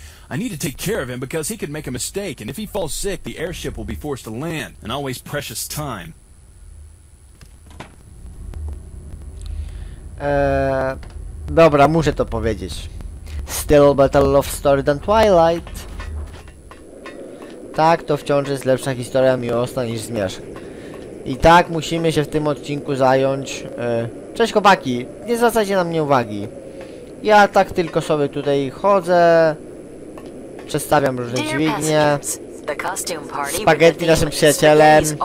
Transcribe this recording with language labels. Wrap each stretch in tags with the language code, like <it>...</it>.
<en>I need to take care of him because he could make a mistake, and if he falls sick, the airship will be forced to land, and I'll waste precious time.</en> <pl>Dobra, muszę to powiedzieć.</pl> <en>Still better love story than Twilight.</en> <pl>Tak, to wciąż jest lepsza historia miłosna niż Zmierzch. I tak, musimy się w tym odcinku zająć. Cześć chłopaki, nie zwracajcie na mnie uwagi. Ja tak tylko sobie tutaj chodzę. Przedstawiam różne dźwignie. Spaghetti naszym przyjacielem.</pl>